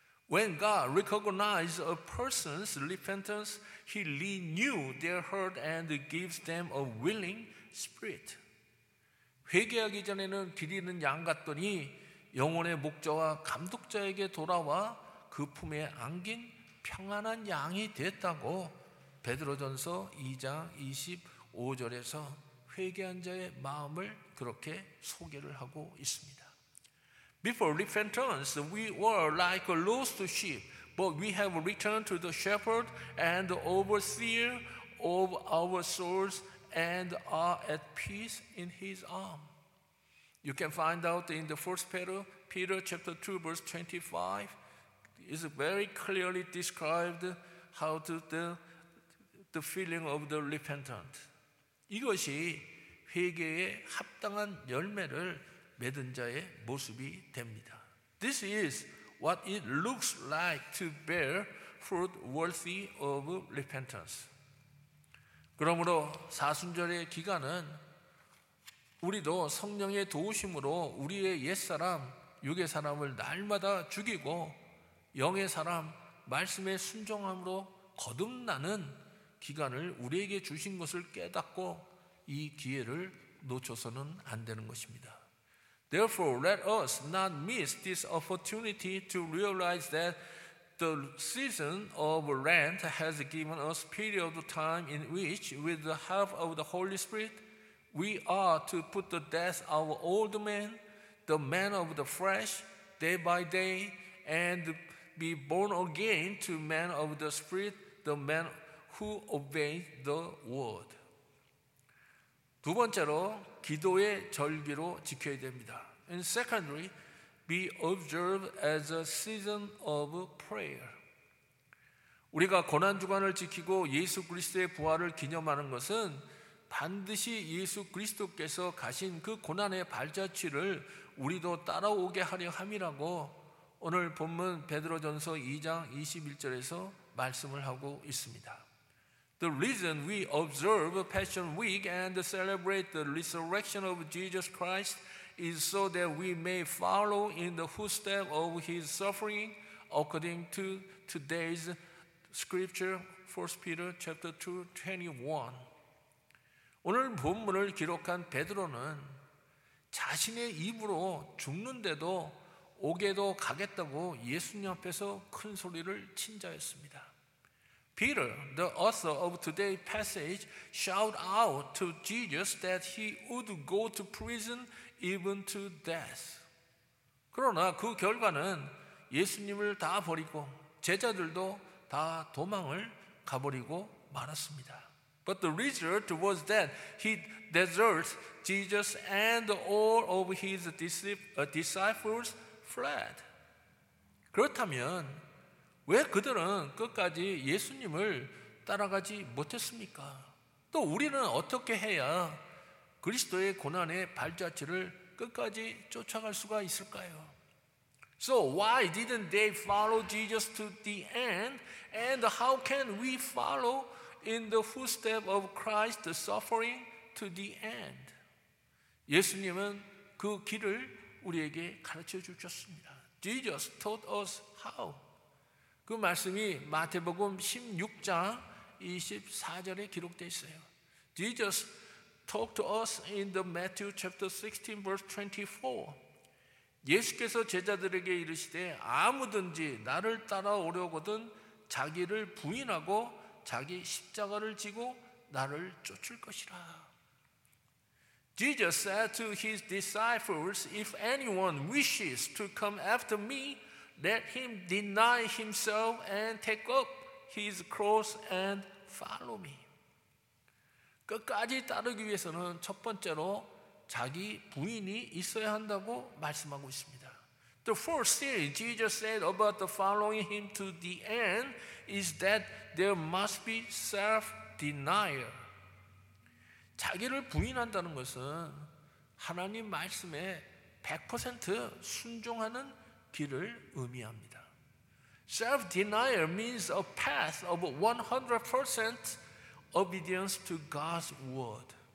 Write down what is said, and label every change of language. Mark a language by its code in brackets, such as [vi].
[en] When God recognized a person's repentance, he renewed their heart and gives them a willing spirit. [ko] 회개하기 전에는 기리는 양 같더니 영혼의 목자와 감독자에게 돌아와 그 품에 안긴 평안한 양이 됐다고 베드로전서 2장 25절에서 회개한 자의 마음을 그렇게 소개를 하고 있습니다. [en] Before repentance, we were like a lost sheep, but we have returned to the shepherd and the overseer of our souls and are at peace in his arm. You can find out in the first Peter chapter 2, verse 25, is very clearly described how to the feeling of the repentant. [ko] 이것이 회개에 합당한 열매를 맺은 자의 모습이 됩니다. [en] This is what it looks like to bear fruit worthy of repentance. [ko] 그러므로 사순절의 기간은 우리도 성령의 도우심으로 우리의 옛사람, 육의 사람을 날마다 죽이고 영의 사람, 말씀의 순종함으로 거듭나는 기간을 우리에게 주신 것을 깨닫고 이 기회를 놓쳐서는 안 되는 것입니다. [en] Therefore, let us not miss this opportunity to realize that the season of Lent has given us a period of time in which, with the help of the Holy Spirit, we are to put to death our old man, the man of the flesh, day by day, and be born again to man of the spirit, the man who obeys the word. [ko] 두 번째로, 기도의 절기로 지켜야 됩니다. [en] And secondly, be observed as a season of prayer. [ko] 우리가 고난주간을 지키고 예수 그리스도의 부활을 기념하는 것은 반드시 예수 그리스도께서 가신 그 고난의 발자취를 우리도 따라오게 하려 함이라고 오늘 본문 베드로전서 2장 21절에서 말씀을 하고 있습니다. [en] The reason we observe Passion Week and celebrate the resurrection of Jesus Christ is so that we may follow in the footsteps of his suffering according to today's scripture, 1 Peter chapter 2, 21. [ko] 오늘 본문을 기록한 베드로는 자신의 입으로 죽는데도 오게도 가겠다고 예수님 앞에서 큰 소리를 친 자였습니다. [en] Peter, the author of today's passage, shouted out to Jesus that he would go to prison even to death. [ko] 그러나 그 결과는 예수님을 다 버리고 제자들도 다 도망을 가버리고 말았습니다. [en] But the result was that he deserted Jesus and all of his disciples fled. [ko] 그렇다면 왜 그들은 끝까지 예수님을 따라가지 못했습니까? 또 우리는 어떻게 해야 그리스도의 고난의 발자취를 끝까지 쫓아갈 수가 있을까요? [en] So why didn't they follow Jesus to the end? And how can we follow in the footsteps of Christ's suffering to the end? [ko] 예수님은 그 길을 우리에게 가르쳐 주셨습니다. [en] Jesus taught us how. [ko] 그 말씀이 마태복음 16장 24절에 기록되어 있어요. [en] Jesus talked to us in the Matthew chapter 16 verse 24. [ko] 예수께서 제자들에게 이르시되 아무든지 나를 따라오려거든 자기를 부인하고 자기 십자가를 지고 나를 쫓을 것이라. [en] Jesus said to his disciples, if anyone wishes to come after me, let him deny himself and take up his cross and follow me. [ko] 끝까지 따르기 위해서는 첫 번째로 자기 부인이 있어야 한다고 말씀하고 있습니다. [en] The first thing Jesus said about the following him to the end is that there must be self-denial. [ko] 자기를 부인한다는 것은 하나님 말씀에 100% 순종하는 길을 의미합니다. [en] Self-denial means a path of 100% obedience to God's word.